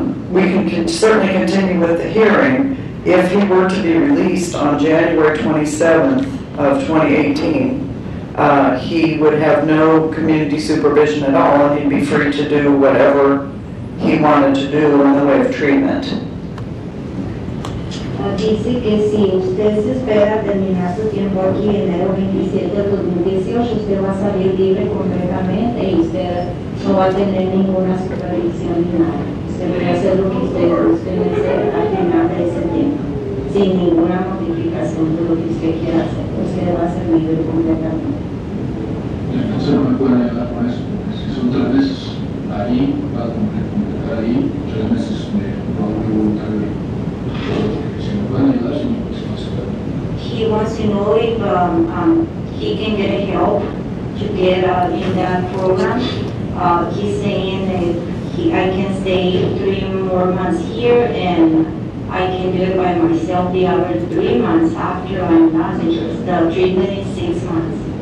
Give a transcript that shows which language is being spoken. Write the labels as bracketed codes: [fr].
[en] We can certainly continue with the hearing if he were to be released on January 27th of 2018. He would have no community supervision at all, and he'd be free to do whatever he wanted to do in the way of treatment. [es] Dice que si usted se espera terminar su tiempo aquí enero 27 de 2018, usted va a salir libre completamente y usted no va a tener ninguna supervisión ni nada. Usted puede hacer lo que usted desee al final de ese tiempo, sin ninguna modificación de lo que usted quiera hacer. Usted va a ser libre completamente. Entonces no me pueden ayudar con eso, porque si son 3 meses ahí, va a completar ahí, 3 meses me va a preguntar. [en] He wants to know if he can get help to get in that program. He's saying that I can stay 3 more months here and I can do it by myself the other 3 months after I'm done, because the treatment is 6 months.